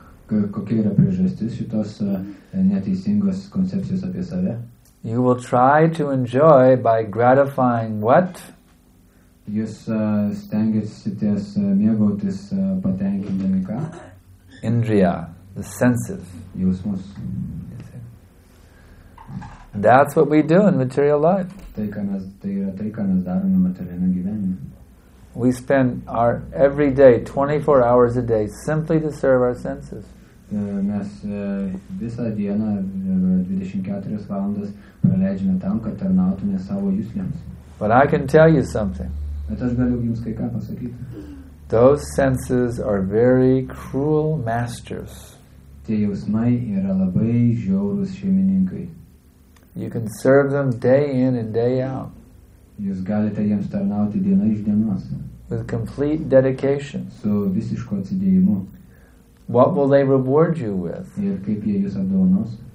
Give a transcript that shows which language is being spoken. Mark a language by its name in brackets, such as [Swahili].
[Lithuanian] Kokia yra priežastis šitos neteisingos koncepcijos apie save? [English] You will try to enjoy by gratifying what? [Lithuanian] Jūs stengiasitės mėgautis patenkindami ką? [English] Indriya, the senses. [Lithuanian] Jausmus. [English] That's what we do in material life. [Lithuanian] Tai, ką mes, tai yra tai, ką mes darome materialiame gyvenime. [English] We spend our every day 24 hours a day simply to serve our senses. [Lithuanian] Mes visą dieną 24 valandas praleidžiame tam, kad tarnautume savo juslėms. [English] But I can tell you something. [Lithuanian] Bet aš galiu jums kai ką pasakyti. [English] Those senses are very cruel masters. [Lithuanian] Tie jausmai yra labai žiaurus šeimininkai. [English] You can serve them day in and day out. [Lithuanian] Jūs galite jiems tarnauti diena iš dienos. [English] With complete dedication. [Lithuanian] Su visišku atsidėjimu. [English] What will they reward you with? [Lithuanian] Ir kaip jie jūs apdovanos?